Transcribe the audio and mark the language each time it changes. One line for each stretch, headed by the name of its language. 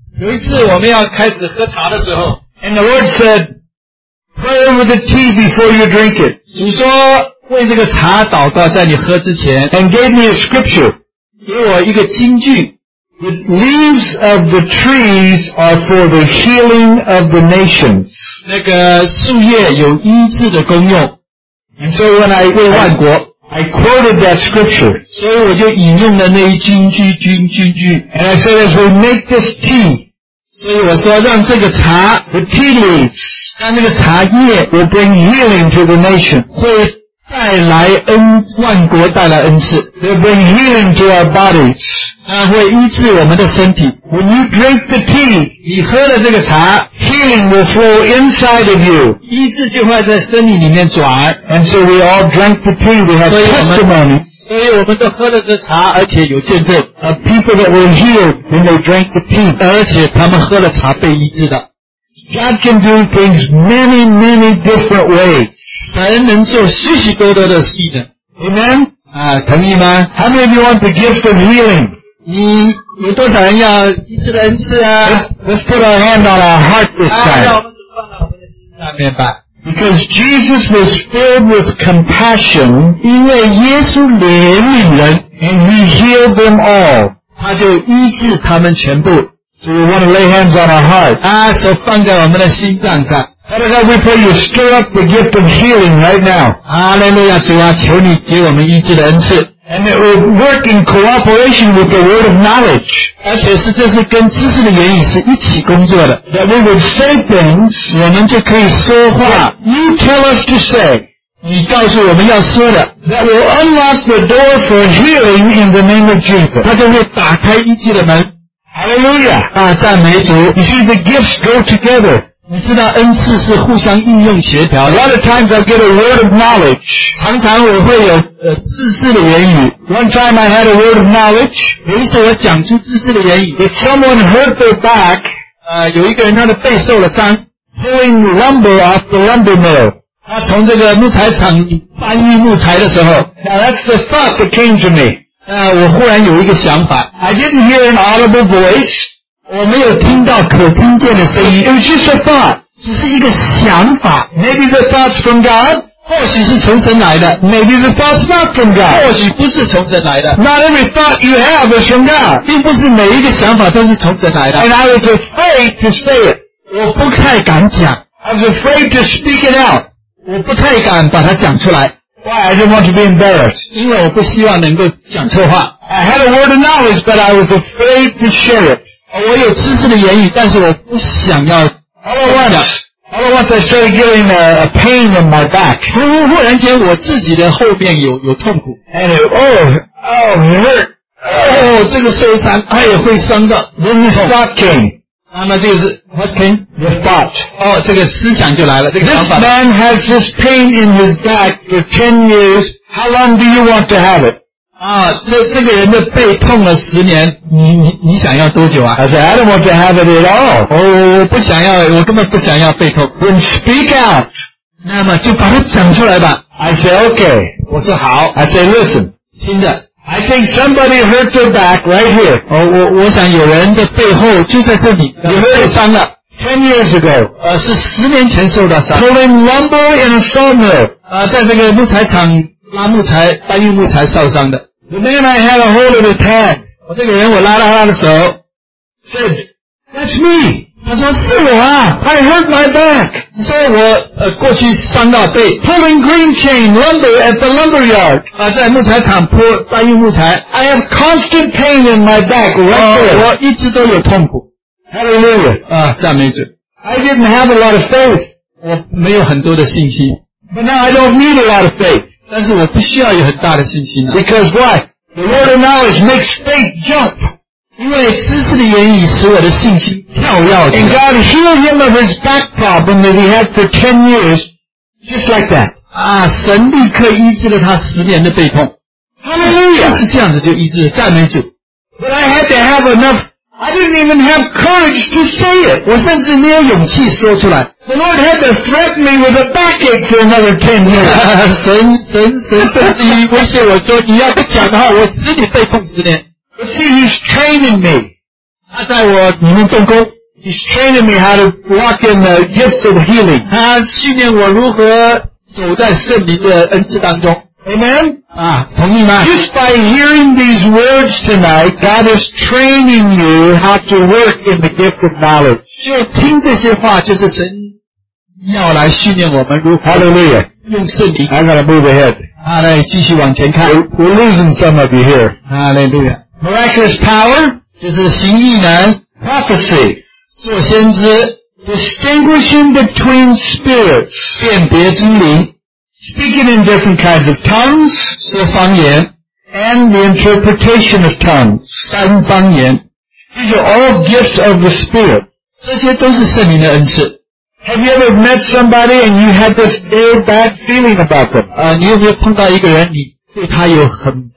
Chinese: 有一次我们要开始喝茶的时候。
English: And the Lord said, pray over the tea before you drink it.
Chinese: 主说为这个茶祷告在你喝之前。
English: And gave me a scripture.
Chinese: 给我一个经句。
English: The leaves of the trees are for the healing of the nations.
Chinese: 那个树叶有医治的功用。
English: And so when I went to
Chinese: 万国。
English: I quoted that scripture.
Chinese: 所以我就引用了那一金句。
English: And I said, as we make this tea,
Chinese: 所以我说让这个茶
English: the tea leaves,
Chinese: 让那个茶叶
English: will bring healing to the nation.
Chinese: 会带来恩万国带来恩赐
English: They'll bring healing to our bodies.
Chinese: 它会医治我们的身体
English: When you drink the tea,
Chinese: 你喝了这个茶
English: healing will flow inside of you.
Chinese: 医治就会在身体里面转
English: And so we all drank the tea, we have testimony.
Chinese: 所以我们都喝了这茶而且有见证
English: of people that were healed when they drank the tea.
Chinese: 而且他们喝了茶被医治的
English: God can do things many, many different ways.
Chinese: 神能做许许多多的事的。
English: Amen?
Chinese: 同意吗
English: ?How many of you want the gift of healing?
Chinese: 你有多少人要医治的恩赐啊
English: ?Let's put our hand on our heart this time.
Chinese: 让我们放到我们的心上面吧。
English: Because Jesus was filled with compassion,
Chinese: 因为耶稣怜悯人
English: and he healed them all.
Chinese: 他就医治他们全部。
English: So we want to lay hands on our heart.
Chinese: 手放在我们的心脏上。
English: Father God, we pray you stir up the gift of healing right now.
Chinese: 主啊，求你给我们医治的恩赐。
English: And it will work in cooperation with the word of knowledge.
Chinese: 而且是这是跟知识的原因是一起工作的。
English: That we would say things,
Chinese: 我们就可以说话。
English: You tell us to say.
Chinese: 你告诉我们要说的
English: That will unlock the door for healing in the name of Jesus.
Chinese: 它就会打开医治的门。
English: Hallelujah!
Chinese: 赞美主。
English: You see, the gifts go together.
Chinese: 你知道恩赐是互相应用协调的。
English: A lot of times I get a word of knowledge.
Chinese: 常常我会有知识的言语。
English: One time I had a word of knowledge.
Chinese: 有一次我讲出知识的言语。
English: If someone hurt their back,
Chinese: 有一个人他的背受了伤。
English: Pulling lumber off the lumber mill.
Chinese: 他从这个木材厂搬运木材的时候。
English: Now that's the thought that came to me.
Chinese: 我忽然有一个想法。
English: I didn't hear an audible voice.
Chinese: 我没有听到可听见的声音。
English: It was just a thought.
Chinese: 只是一个想法。
English: Maybe the thought's from God.
Chinese: 或许是从神来的。
English: Maybe the thought's not from God.
Chinese: 或许不是从神来的。
English: Not every thought you have is from God.
Chinese: 并不是每一个想法都是从神来的。
English: And I was afraid to say it.
Chinese: 我不太敢讲。
English: I was afraid to speak it out.
Chinese: 我不太敢把它讲出来。
English: Why? I didn't want to be embarrassed.
Chinese: 因为我不希望能够讲错话。
English: I had a word of knowledge, but I was afraid to share it.
Chinese: 我有知识的言语，但是我不想要讲。
English: All at once, I started getting a pain in my back.
Chinese: 忽然间，我自己的后面有痛苦。
English: And it hurt.
Chinese: Oh, 这个受伤，哎呀，会伤到。
English: Then the thought came.
Chinese: 那么这个是
English: what came? The thought.
Chinese: 这个思想就来了，这个想法。
English: This man has this pain in his back for 10 years. How long do you want to have it?
Chinese: 这个人的背痛了10年，你想要多久啊？
English: I said, I don't want to have it at all.
Chinese: 我不想要，我根本不想要背痛。
English: Then speak out.
Chinese: 那么就把它讲出来吧。
English: I said, okay.
Chinese: 我说好。
English: I said, listen.
Chinese: 听的。
English: I think somebody hurt their back right here.
Chinese: 我想有人的背后就在这里。
English: You hurt your back 10 years ago.
Chinese: 是10年前受到伤。
English: Pulling lumber in a sawmill.
Chinese: 在这个木材厂拉木材搬运木材受伤的。
English: The man I had a hold of his hand.
Chinese: 这个人我拉到他的手。
English: Said, that's me.
Chinese: 他说是我啊。
English: I hurt my back.
Chinese: 说我过去伤到背。
English: Pulling green chain lumber at the lumber yard.
Chinese: 在木材厂搬运木材。
English: I have constant pain in my back right there.
Chinese: 我一直都有痛苦。
English: Hallelujah.
Chinese: 赞美主。
English: I didn't have a lot of faith.
Chinese: 我没有很多的信心。
English: But now I don't need a lot of faith.
Chinese: 但是我不需要有很大的信心。
English: Because why? The word of knowledge makes faith jump.
Chinese: 因为知识的原因使我的信心跳跃起来。
English: And God healed him of his back problem that he had for 10 years, just like that.
Chinese: 神立刻医治了他10年的背痛。
English: Hallelujah!
Chinese: 就是这样子就医治了，赞美主。
English: But I had to have enough, I didn't even have courage to say it.
Chinese: 我甚至没有勇气说出来。
English: The Lord had to threaten me with a backache for another 10 years.
Chinese: 神甚至于威胁我说，你要不讲的话，我使你背痛10年。
English: But see, he's training me.
Chinese: 他在我里面动工。
English: He's training me how to walk in the gifts of healing.
Chinese: 他训练我如何走在圣灵的恩赐当中。
English: Amen?
Chinese: 同意吗？
English: Just by hearing these words tonight, God is training you how to work in the gift of knowledge.
Chinese: 就听这些话，就是神要来训练我们如何。
English: Hallelujah.
Chinese: 用圣灵。
English: I'm gonna move ahead.
Chinese: 来继续往前看。
English: We're losing some of you here. Hallelujah. Miraculous power,
Chinese: 就是行异能
English: prophecy,
Chinese: 做先知
English: distinguishing between spirits,
Chinese: 辨别真理
English: speaking in different kinds of tongues,
Chinese: 说方言
English: and the interpretation of tongues,
Chinese: 三方言
English: these are all gifts of the spirit,
Chinese: 这些都是圣灵的恩赐
English: Have you ever met somebody and you had this very bad feeling about them?
Chinese: 你有没有碰到一个人你对他有很